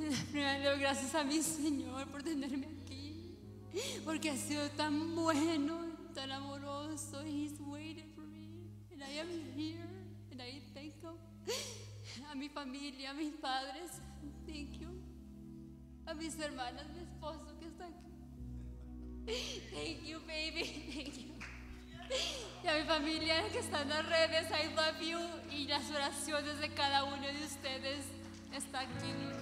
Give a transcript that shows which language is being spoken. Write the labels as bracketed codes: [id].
[es] Primero, gracias a mi Señor por tenerme aquí, porque ha sido tan bueno, tan amoroso. [en] He's waited for me, and I am here, and I thank him. [es] A mi familia, a mis padres, [en] thank you. [es] A mis hermanas, mi esposo que está aquí. [en] Thank you, baby. Thank you. [es] Y a mi familia que está en las redes, [en] I love you. [es] Y las oraciones de cada uno de ustedes están aquí.